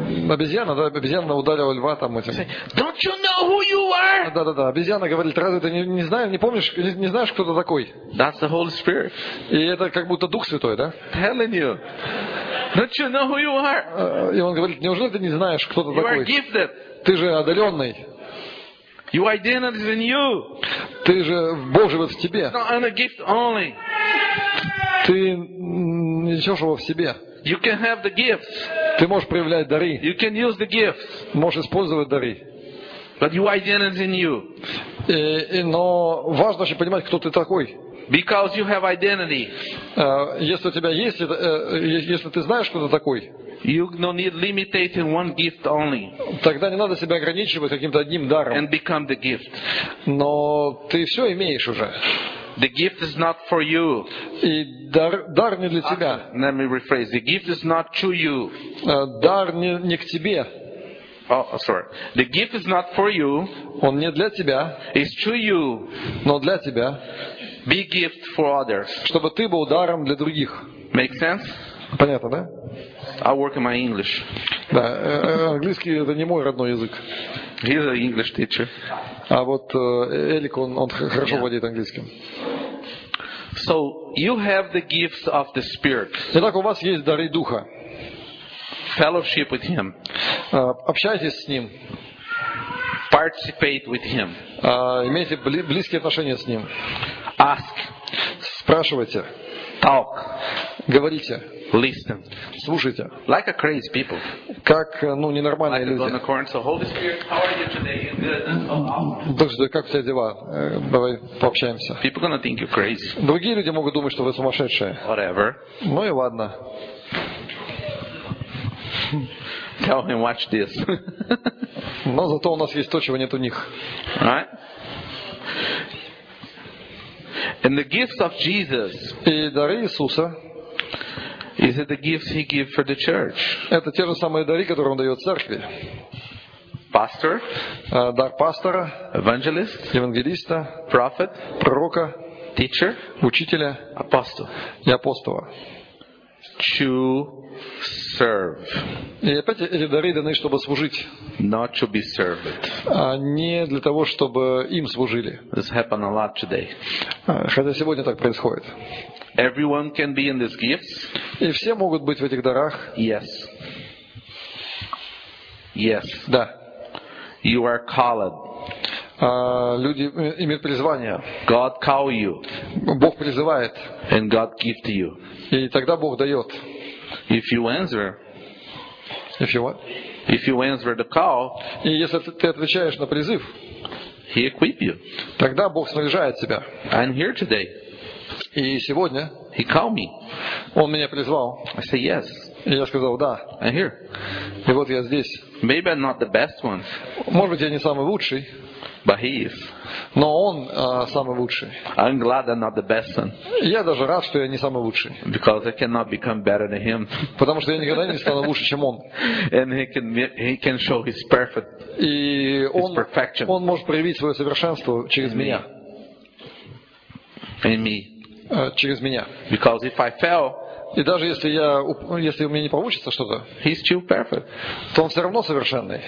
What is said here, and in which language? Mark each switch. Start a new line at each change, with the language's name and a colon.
Russian: Обезьяна, да, обезьяна ударила льва там этим.
English: Don't you know who you are?
Russian: Да. Обезьяна говорит, разве ты не знаешь, не помнишь, не знаешь, кто ты такой?
English: That's the Holy Spirit.
Russian: И это как будто Дух Святой, да?
English: Telling you. Don't you know who you are?
Russian: И он говорит, неужели ты не знаешь, кто ты такой?
English: You are gifted.
Russian: Ты же одаренный.
English: Your identity is in you.
Russian: Ты же Божий вот в тебе.
English: It's not only a gift only.
Russian: Ты несешь его в себе.
English: You can have the gifts.
Russian: Ты можешь проявлять дары.
English: You can use the gifts.
Russian: Можешь использовать дары.
English: But your identity is in you.
Russian: Но важно вообще понимать, кто ты такой.
English: Because you have identity.
Russian: Если у тебя есть, если ты знаешь, кто ты такой.
English: You don't need limiting one gift only.
Russian: Тогда не надо себя ограничивать каким-то одним даром.
English: And become the gift.
Russian: Но ты все имеешь уже.
English: The gift is not for you.
Russian: И дар не для тебя.
English: Let me rephrase. The gift is not to you.
Russian: Дар не к тебе.
English: Oh, sorry. The gift is not for you.
Russian: Он не для тебя.
English: It's to you.
Russian: Но для тебя.
English: Be gift for others.
Russian: Чтобы ты был даром для других.
English: Make sense?
Russian: Понятно, да?
English: I work in my English.
Russian: Да, английский это не мой родной язык.
English: He's an English teacher.
Russian: А вот Элик, он хорошо
English: yeah.
Russian: владеет английским.
English: So you have the gifts of the Spirit.
Russian: Итак, у вас есть дары духа.
English: Fellowship with Him.
Russian: Общайтесь с Ним.
English: Participate with Him.
Russian: Имейте близкие отношения с Ним.
English: Ask.
Russian: Спрашивайте.
English: Talk.
Russian: Говорите.
English: Listen.
Russian: Слушайте.
English: Like a crazy people.
Russian: Как ненормальные
English: like
Russian: люди.
English: Like a unicorn. So Holy Spirit, how are you today?
Russian: Друзья, как все дела? Давай пообщаемся.
English: People gonna think you're crazy.
Russian: Другие люди могут думать, что вы сумасшедшие.
English: Whatever.
Russian: Ну и ладно.
English: Tell him watch this.
Russian: Но зато у нас есть то, чего нет у них.
English: Right? And the gifts of Jesus.
Russian: И дары Иисуса.
English: Is it the gifts he gives for the church?
Russian: Это те же самые дары, которые он дает церкви.
English: Pastor.
Russian: Дар пастора.
English: Evangelist.
Russian: Евангелиста.
English: Prophet.
Russian: Пророка.
English: teacher,
Russian: учителя, апостола, и апостола.
English: To serve.
Russian: И опять эти дары даны, чтобы служить.
English: Not to be served.
Russian: А не для того, чтобы им служили.
English: This happened a lot today.
Russian: Хотя сегодня так происходит.
English: Everyone can be in these gifts.
Russian: И все могут быть в этих дарах.
English: Yes. Yes.
Russian: Да.
English: You are called.
Russian: Люди имеют призвание.
English: God call you.
Russian: Бог призывает.
English: And God give to you.
Russian: И тогда Бог дает.
English: If you answer. If you what? If you answer the call.
Russian: И если ты отвечаешь на призыв.
English: He equip you.
Russian: Тогда Бог снаряжает тебя.
English: I'm here today.
Russian: И сегодня.
English: He call me.
Russian: Он меня призвал.
English: I say yes.
Russian: И я сказал да.
English: I'm here.
Russian: И вот я здесь.
English: Maybe I'm not the best one.
Russian: Может быть, я не самый лучший.
English: But he is.
Russian: Но он самый лучший.
English: I'm glad I'm not the best one.
Russian: Я даже рад, что я не самый лучший.
English: Because I cannot become better than him.
Russian: Потому что я никогда не стану лучше, чем он.
English: And he can show his perfect.
Russian: И он,
English: his perfection.
Russian: Он может проявить свое совершенство через
English: in
Russian: меня.
English: Me. In me.
Russian: Через меня.
English: Because if I fail.
Russian: И даже если я, если у меня не получится что-то,
English: he's still perfect.
Russian: То он все равно совершенный.